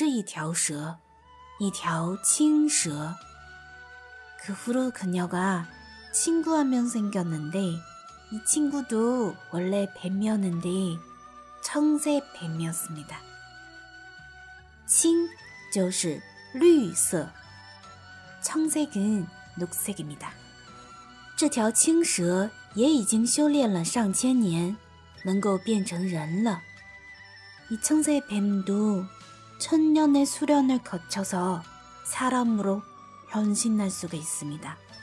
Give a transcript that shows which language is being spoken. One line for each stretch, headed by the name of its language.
Chinese: 后来她有了一个朋友这个朋友原来也是一条蛇一条青蛇。
Korean: 그 후로 그녀가 친구 한 명 생겼는데 이 친구도 원래 뱀이었는데 청색뱀이었습니다.
Chinese: 青就是绿色。
Korean: 청색은 녹색입니다.
Chinese: 这条青蛇也已经修炼了上千年。能够变成人了。
Korean: 이 청색 뱀도 천년의 수련을 거쳐서 사람으로 변신할 수가 있습니다.